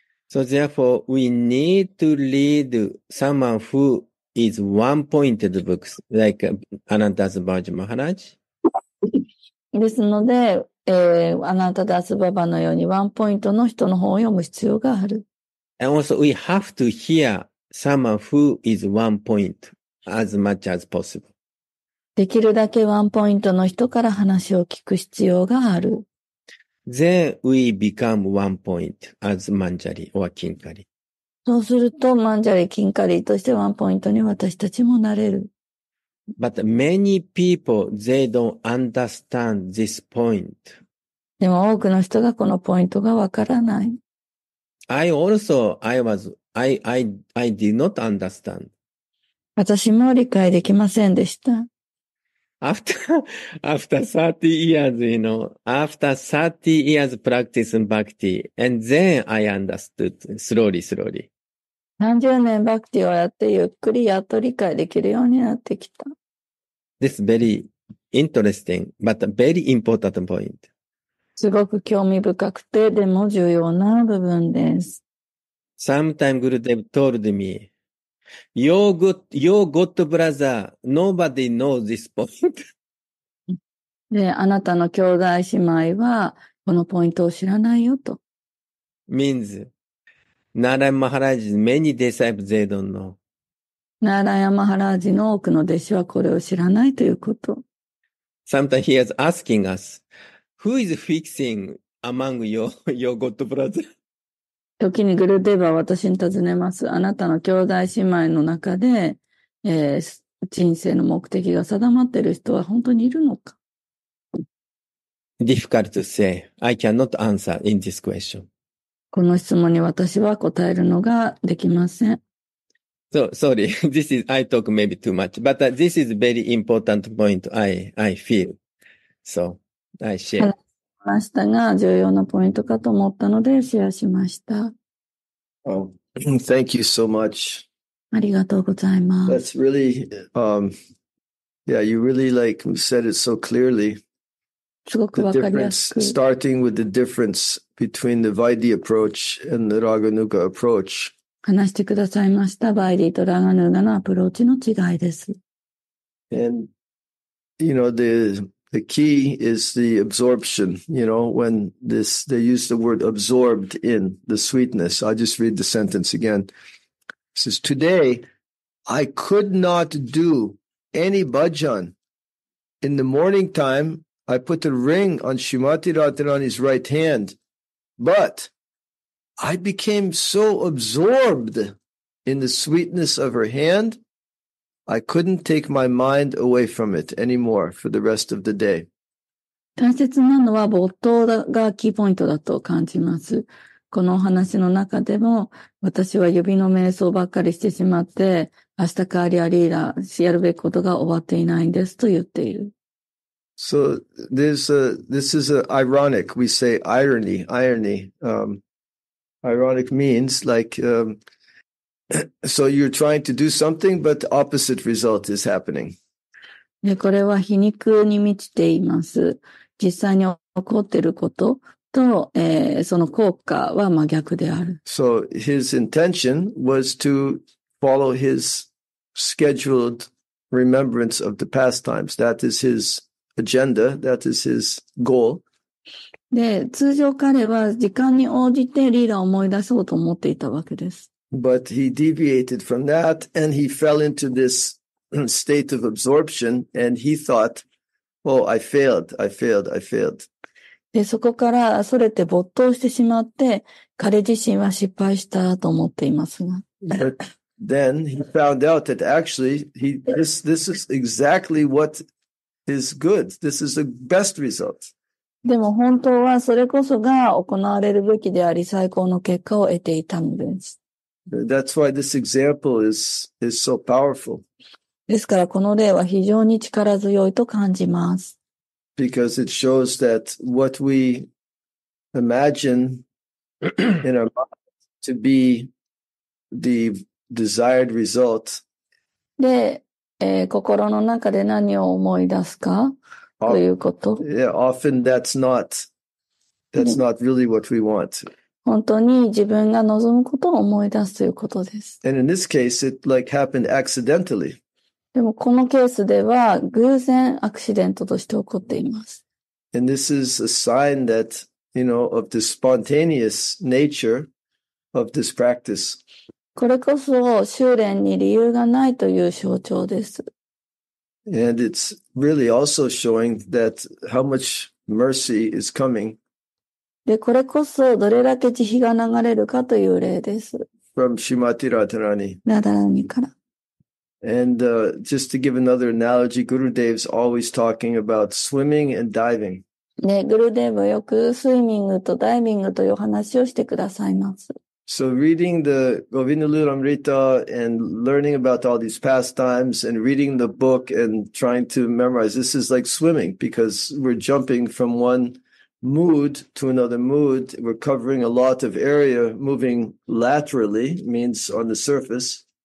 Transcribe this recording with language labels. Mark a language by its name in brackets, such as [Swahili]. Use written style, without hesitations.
[English] So therefore we need to read someone who is one-pointed books like Ananta's Bhaja Maharaj. [Japanese] ですので、アナンタダースババのようにワンポイントの人の本を読む必要がある。 [English] And also we have to hear someone who is one point as much as possible. [Japanese] できるだけワンポイントの人から話を聞く必要がある。 [English] Then we become one point as Manjari or Kinkari. [Japanese] そうすると、マンジャリ、キンカリとしてワンポイントに私たちもなれる。 [English] But many people, they don't understand this point. [Japanese] でも多くの人がこのポイントがわからない。 [English] I did not understand. [Japanese] 私も理解できませんでした。 [English] After 30 years, you know, after 30 years practice in bhakti, and then I understood slowly. [Japanese] 30年バクティをやってゆっくりやっと理解できるようになってきた。 [English] This is very interesting, but a very important point. [Japanese] すごく興味深くて、でも重要な部分です。 [English] Sometimes Gurudev told me, your good brother, nobody knows this point. [Japanese] で、あなたの兄弟姉妹は、このポイントを知らないよと。 [English] Means, Narayan Maharaj, many disciples they don't know. [Japanese] ナーラヤマハラージの多くの弟子はこれを知らないということ。 [English] Sometimes he is asking us, who is fixing among your god brother? [Japanese] 時にグルデーバは私に尋ねます。あなたの兄弟姉妹の中で、人生の目的が定まっている人は本当にいるのか [English] ?Difficult to say. I cannot answer in this question. [Japanese] この質問に私は答えるのができません。 [English] So, sorry, I talk maybe too much, but this is a very important point I feel. So, I share. [Japanese] 話しましたが、重要なポイントかと思ったので、シェアしました。 [English] Oh, thank you so much. [Japanese] ありがとうございます。 [English] That's really, yeah, you really like said it so clearly. [Japanese] すごくわかりやすく。 [English] Starting with the difference between the Vaidhi approach and the Raghunuga approach. [Japanese] 話してくださいました。バイディとラガヌーガのアプローチの違いです。 [English] And, you know, the, The key is the absorption, you know, when this, they use the word absorbed in the sweetness. I'll just read the sentence again. It says, today, I could not do any bhajan. In the morning time, I put a ring on Srimati Radharani's right hand, but I became so absorbed in the sweetness of her hand, I couldn't take my mind away from it anymore for the rest of the day. [Japanese] 大切なのは没頭がキーポイントだと感じます。このお話の中でも、私は指の瞑想ばっかりしてしまって、明日カーリアリーラーしやるべきことが終わっていないんですと言っている。 [English] So, this is ironic. We say irony, irony. Ironic means like, so you're trying to do something, but the opposite result is happening. [Japanese] で、これは皮肉に満ちています。実際に起こっていることと、その効果は真逆である。 [English] So his intention was to follow his scheduled remembrance of the pastimes. That is his agenda. That is his goal. [Japanese] で、通常彼は時間に応じてリーダーを思い出そうと思っていたわけです。 [English] But he deviated from that and he fell into this state of absorption and he thought, oh, I failed, I failed, I failed. [Japanese] で、そこからそれて没頭してしまって、彼自身は失敗したと思っていますが。 [English] But then he found out that actually this is exactly what is good. This is the best result. [Japanese] でも本当はそれこそが行われるべきであり最高の結果を得ていたのです。 [English] That's why this example is so powerful. [Japanese] ですからこの例は非常に力強いと感じます。 [English] Because it shows that what we imagine in our mind to be the desired result. [Japanese] で、心の中で何を思い出すかということ。 [English] Yeah, often that's not really what we want. [Japanese] 本当に自分が望むことを思い出すということです。 [English] And in this case, it like happened accidentally. [Japanese] でもこのケースでは偶然アクシデントとして起こっています。 [English] And this is a sign that, you know, of the spontaneous nature of this practice. [Japanese] これこそ修練に理由がないという象徴です。 [English] And it's really also showing that how much mercy is coming. [Japanese] で、これこそどれだけ慈悲が流れるかという例です。 [English] From Srimati Radharani. [Japanese] Radharani から。 [English] And, just to give another analogy, Gurudev's always talking about swimming and diving. [Japanese] ね、Gurudev はよくスイミングとダイビングという話をしてくださいます。 [English] So reading the Govinda Lilamrita and learning about all these pastimes and reading the book and trying to memorize, this is like swimming because we're jumping from onemood to another mood, we're covering a lot of area, moving laterally means on the surface.